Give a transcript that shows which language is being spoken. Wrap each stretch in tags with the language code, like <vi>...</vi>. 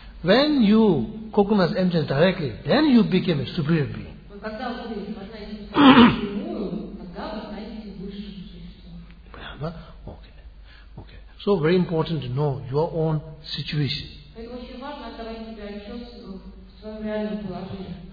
<en>When you cognize emptiness directly, then you became a superior being.</en> <ru>Когда вы познаете тогда вы станете высшим существом. Понятно? Окей.</ru> <en>So very important to know your own situation.</en> <ru>Это очень важно отдавать себе отчет в своем реальном положении.</ru>